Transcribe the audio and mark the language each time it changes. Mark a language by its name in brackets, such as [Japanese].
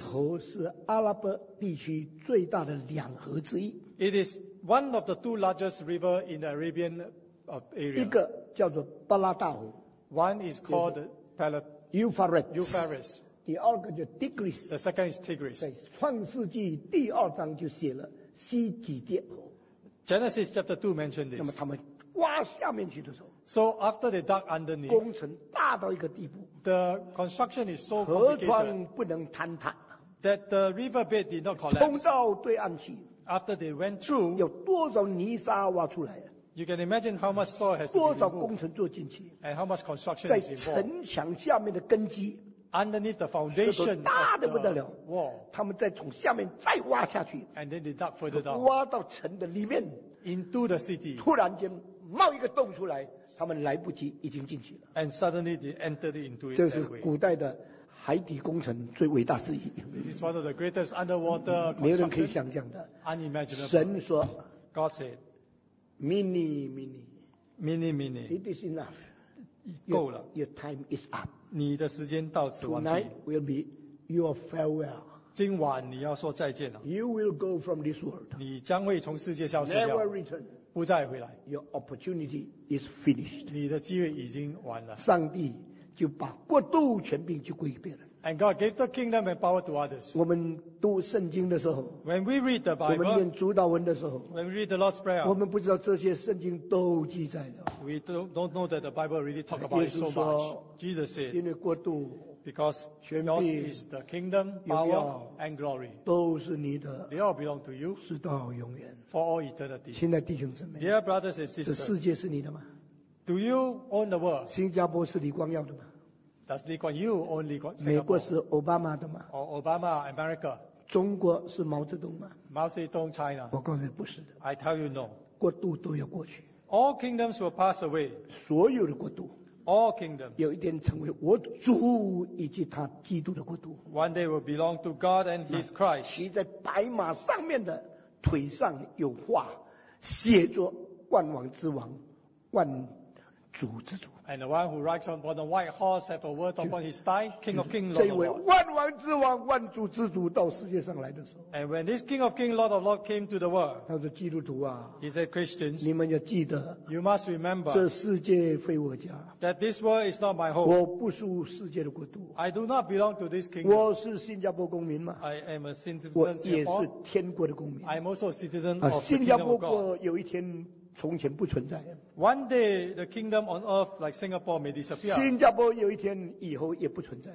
[Chinese] Tigris 河是阿拉伯地区最大的两河之一。 [English] It is one of the two largest river in the Arabian area. [Chinese] 一个叫做巴拉大河。 [English] One is called Euphrates. Euphrates. [Chinese] 第二个叫 Tigris. [English] The second is Tigris. [Chinese] 在创世纪第二章就写了希底帝河。 [English] Genesis chapter 2 mentioned this. [Chinese] 那么他们挖下面去的时候 [English] So after they dug underneath, [Chinese] 工程大到一个地步, [English] the construction is so complicated that the riverbed did not collapse. [Chinese] 通到对岸去, [English] after they went through, [Chinese] 有多少泥沙挖出来, [English] you can imagine how much soil has been removed, [Chinese] 多少工程做进去, [English] and how much construction is involved. [Chinese] 在城墙下面的根基, [English] underneath the foundation [Chinese] 是大得不得了, [English] of the wall. [Chinese] 他们再从下面再挖下去, [English] and then they dug further down, [Chinese] 挖到城的里面, [English] into the city. [Chinese] 突然间, 冒一个洞出来, 他们来不及, 已经进去了。 [English] And suddenly they entered into it. [Chinese] 这是古代的海底工程最伟大之一。 [English] This is one of the greatest underwater construction. [Chinese] 没有人可以想象的。 [English] Unimaginable. [Chinese] 神说, [English] God said, [Aramaic] mini, mini. Mini, mini. [English] It is enough. [Chinese] 够了。 [English] Your time is up. [Chinese] 你的时间到此完毕。 [English] Tonight will be your farewell. [Chinese] 今晚你要说再见了。 [English] You will go from this world. [Chinese] 你将会从世界消失掉。 [English] Never return. [Chinese] 不再回来, [English] your opportunity is finished. [Chinese] 你的机会已经完了, 上帝就把国度权柄就归给别人, [English] and God gave the kingdom and power to others. [Chinese] 我们读圣经的时候, [English] when we read the Bible, [Chinese] 我们念主导文的时候, [English] when we read the Lord's Prayer, [Chinese] 我们不知道这些圣经都记载了, [English] we don't know that the Bible really talk about it so much. Jesus said, [Chinese] 因为国度, [English] because yours is the kingdom, power, and glory. [Chinese] 都是你的, [English] they all belong to you. [Chinese] 直到永远, [English] for all eternity. [Chinese] 亲爱弟兄姊妹, [English] dear brothers and sisters, [Chinese] 这世界是你的吗? [English] Do you own the world? [Chinese] 新加坡是李光耀的吗? [English] Does Lee Kuan Yew own Singapore? [Chinese] 美国是Obama的吗? [English] Or Obama, America? [Chinese] 中国是毛泽东吗? [English] Mao Zedong, China? [Chinese] 我告诉你不是的, [English] I tell you no. [Chinese] 国度都要过去, [English] all kingdoms will pass away. [Chinese] 所有的国度, [English] all kingdoms, [Chinese] 有一天成为我主以及他基督的国度, [English] one day will belong to God and His Christ. [Chinese] 骑在白马上面的腿上有画, 写着万王之王万主之主, [English] and the one who rides on the white horse have a word upon his thigh, King of Kings, Lord of Lords. [Chinese] 这位万王之王万主之主到世界上来的时候, [English] and when this King of Kings, Lord of Lords came to the world, [Chinese] 他说基督徒啊, [English] he said, Christians, [Chinese] 你们要记得, [English] you must remember, [Chinese] 这世界非我家, [English] that this world is not my home. [Chinese] 我不属世界的国度, [English] I do not belong to this kingdom. [Chinese] 我是新加坡公民吗? [English] I am a citizen of Singapore. [Chinese] 我也是天国的公民, [English] I am also a citizen of the kingdom of God. [Chinese] 从前不存在, [English] one day the kingdom on earth like Singapore may disappear. [Chinese] 新加坡有一天以后也不存在,